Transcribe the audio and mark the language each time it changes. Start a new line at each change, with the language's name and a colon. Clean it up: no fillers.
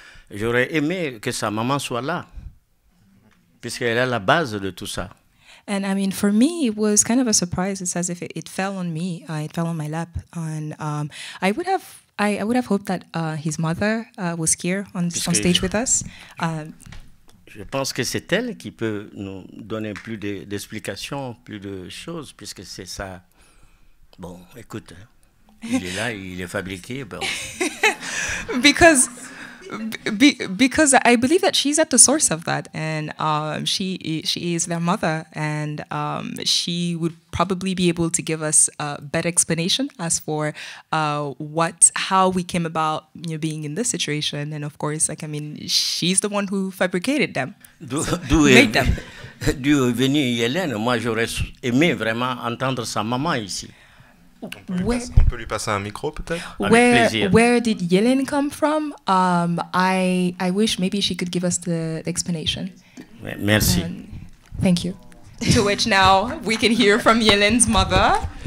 French: J'aurais aimé que sa maman soit là, puisqu'elle est la base de tout ça.
English: And I mean, for me, it was kind of a surprise. It's as if it fell on me, it fell on my lap. And I would have hoped that his mother was here on stage with us.
French: Je pense que c'est elle qui peut nous donner plus d'explications, plus de choses, puisque c'est ça. Bon, écoute, il est là, il est fabriqué. Bon.
English: Because I believe that she's at the source of that, and she is their mother, and she would probably be able to give us a better explanation as for how we came about, you know, being in this situation. And of course, like, I mean, she's the one who fabricated them, made them.
French: D'où est venue Yeelen? Moi, j'aurais aimé vraiment entendre sa maman ici. On peut lui passer un micro, peut-être.
English: Where did Yeelen come from? I wish maybe she could give us the explanation.
French: Merci.
English: Thank you. To which now we can hear from Yeelen's mother.